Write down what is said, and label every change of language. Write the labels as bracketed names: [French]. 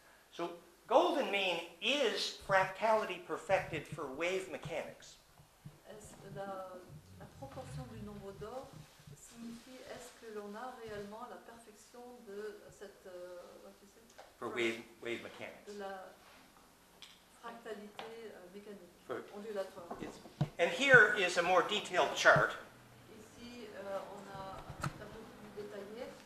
[English] So golden mean is fractality perfected for wave mechanics. [French] La proportion du nombre d'or signifie est-ce que l'on a réellement la perfection de cette [English] for wave mechanics. [French] De la fractalité mécanique, ondulatoire. [English] And here is a more detailed chart. [French] Ici, on a un tableau plus détaillé.